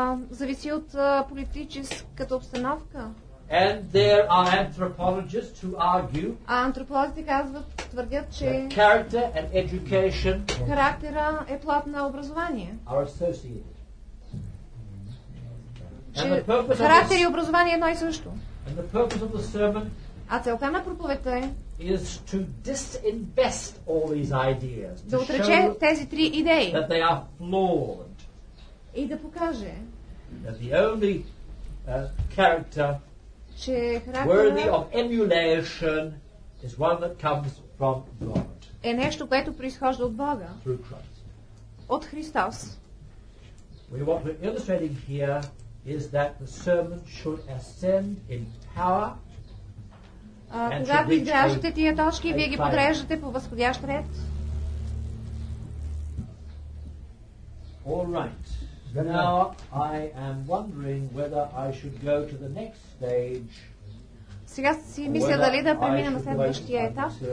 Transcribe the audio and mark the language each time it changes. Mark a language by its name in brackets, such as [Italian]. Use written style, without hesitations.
[Bulgarian] Зависи от политическата обстановка. [English] And there are anthropologists who argue. [Bulgarian] А антрополозите казват, твърдят, че [English] character and education. [Bulgarian] Характера е плод на образование. [English] Are associated. [Bulgarian] Характер и образование едно и също. [English] And the purpose of the sermon. [Bulgarian] А целта на проповедта е [English] is to disinvest all these ideas. [Bulgarian] Да отрече тези три идеи. [English] That they are flawed. [Bulgarian] И да покаже [English] that the only character [Bulgarian] че характера [English] worthy of emulation is one that comes from God. [Bulgarian] Е нещо, което произхожда от Бога. [English] Through Christ. [Bulgarian] От Христос. [English] We want to illustrate here is that the sermon should ascend in power. [Bulgarian] Когато изграждате тия точки, вие ги подреждате по възходящ ред. [English] All right. Now I am wondering whether I should go to the next stage. [Bulgarian] Сега си мисля дали да преминам следващия етап.